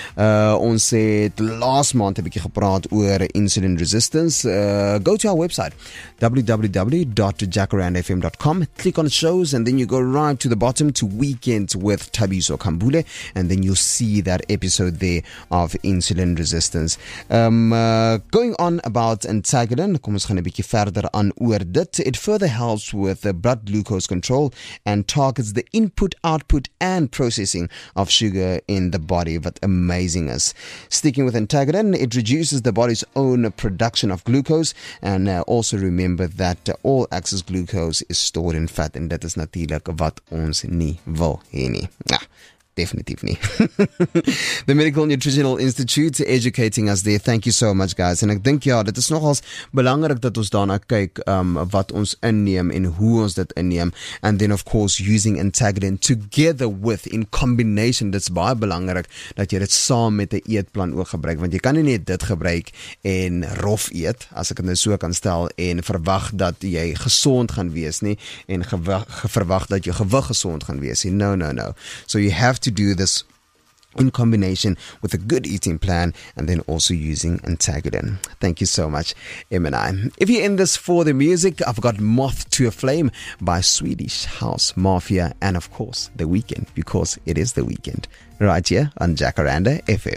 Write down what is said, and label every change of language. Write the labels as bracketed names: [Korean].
[Afrikaans] Ons het [English] last month [Afrikaans] 'n bietjie gepraat oor insulin resistance. [English] Go to our website, www.jacarandafm.com. Click on shows and then you go right to the bottom to Weekends with Thabiso Kambule, and then you'll see that episode there of insulin resistance. Going on about Entagolin, [Afrikaans] kom ons gaan 'n bietjie verder aan oor dit. [English] It further helps with the blood glucose control and targets the input, output and processing of sugar in the body. What amazing is. Sticking with Entagolin, it reduces the body's own production of glucose, and also remember that all excess glucose is stored in fat, [Afrikaans] en dit is natuurlik wat ons nie wil hê nie. Ah, definitief nie. [English] The Medical Nutritional Institute educating us there. Thank you so much, guys. [Afrikaans] En ek dink, ja, dit is nogals belangrik dat ons daarna kyk wat ons inneem en hoe ons dit inneem. [English] And then, of course, using Entagolin together with, in combination, [Afrikaans] dit is baie belangrik dat jy dit saam met 'n eetplan ook gebruik. Want jy kan nie net dit gebruik en rof eet, as ek dit so kan stel, en verwag dat jy gesond gaan wees nie, en verwag dat jy gewig gesond gaan wees nie. [English] No. So you have to do this in combination with a good eating plan, and then also using Entagolin. Thank you so much, M&I. If you're in this for the music, I've got Moth to a Flame by Swedish House Mafia, and of course The Weeknd, because it is The Weeknd, right here on Jacaranda FM.